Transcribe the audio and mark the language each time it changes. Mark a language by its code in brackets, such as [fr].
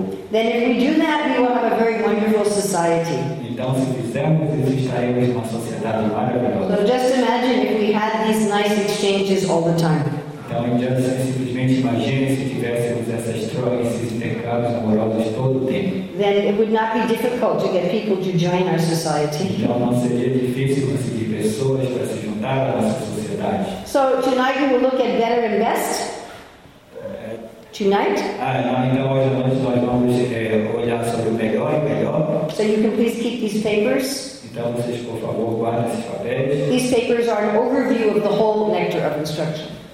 [en] Then if we do that, we will have a very wonderful society. So just imagine if we had these nice exchanges all the time. [pt] Então, simplesmente imagine se tivéssemos essas trocas, esses intercâmbios amorosos todo o tempo. [en] Then it would not be difficult to get people to join our society. [pt] Então, não seria difícil conseguir pessoas para se juntar à nossa sociedade. [en] So tonight we will look at better and best. tonight. So you can please keep these papers. These papers are an overview of the whole nectar of instruction.